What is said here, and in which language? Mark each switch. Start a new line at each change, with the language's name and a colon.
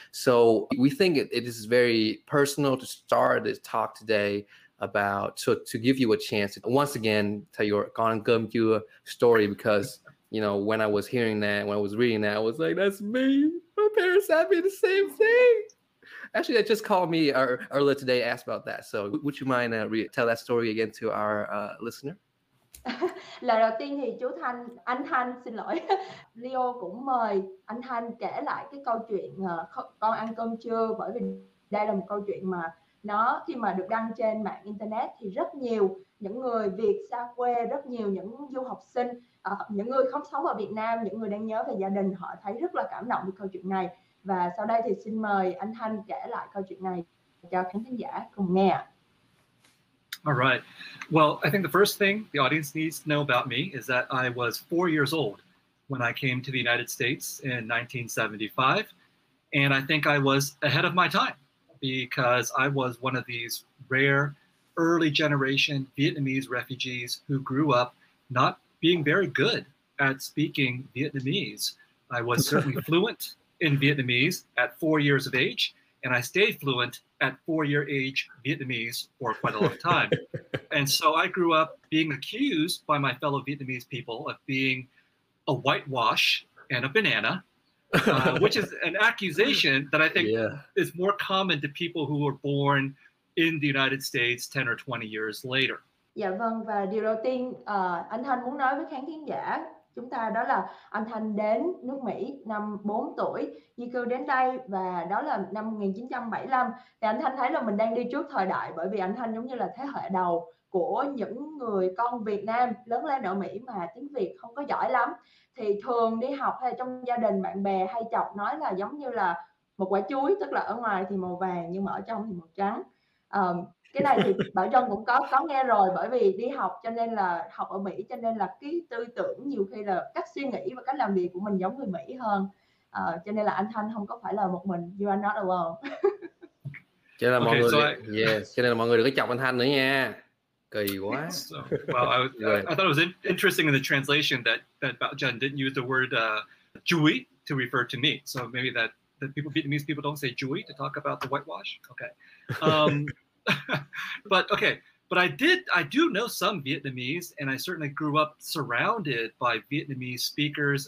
English: So we think it is very personal to start this talk today about, to give you a chance to once again tell your Con Cơm Chưa story, because you know, when I was hearing that, when I was reading that, I was like, that's me. My parents asked me the same thing. Actually, they just called me earlier today, asked about that. So would you mind tell that story again to our listener?
Vietnamese: Lời đầu tiên thì chú Thanh, anh Thanh, xin lỗi. Leo cũng mời anh Thanh kể lại cái câu chuyện con ăn cơm chưa? Bởi vì đây là một câu chuyện mà nó khi mà được đăng trên mạng Internet thì rất nhiều những người Việt xa quê, rất nhiều những du học sinh, những người không sống ở Việt Nam, những người đang nhớ về gia đình, họ thấy rất là cảm động về câu chuyện này. Và sau đây thì xin mời anh Thanh kể lại câu chuyện này cho khán giả cùng nghe.
English: All right. Well, I think the first thing the audience needs to know about me is that I was 4 years old when I came to the United States in 1975. And I think I was ahead of my time because I was one of these rare early generation Vietnamese refugees who grew up not being very good at speaking Vietnamese. I was certainly fluent in Vietnamese at 4 years of age, and I stayed fluent at 4 year age Vietnamese for quite a long time. And so I grew up being accused by my fellow Vietnamese people of being a whitewash and a banana, which is an accusation that I think is more common to people who were born in the United States 10 or 20 years later.
Vietnamese: Dạ vâng, và điều đầu tiên anh Thanh muốn nói với khán thính giả chúng ta đó là anh Thanh đến nước Mỹ năm 4 tuổi, di cư đến đây, và đó là năm 1975. Thì anh Thanh thấy là mình đang đi trước thời đại, bởi vì anh Thanh giống như là thế hệ đầu của những người con Việt Nam lớn lên ở Mỹ mà tiếng Việt không có giỏi lắm. Thì thường đi học hay trong gia đình bạn bè hay chọc nói là giống như là một quả chuối, tức là ở ngoài thì màu vàng nhưng mà ở trong thì màu trắng. Cái này thì Bảo Trân cũng có nghe rồi, bởi vì đi học cho nên là học ở Mỹ, cho nên là cái tư tưởng nhiều khi là cách suy nghĩ và cách làm việc của mình giống người Mỹ hơn. Cho nên là anh Thanh không có phải là một mình.
English: You are not alone.
Vietnamese: Cho nên là mọi người, cho nên là mọi người đừng có chọc anh Thanh nữa nha. Kỳ quá.
English: I thought it was interesting in the translation that Bảo Trân didn't use the word chuối to refer to me. So maybe that people, Vietnamese people don't say chuối to talk about the whitewash. Okay. But I do know some Vietnamese, and I certainly grew up surrounded by Vietnamese speakers.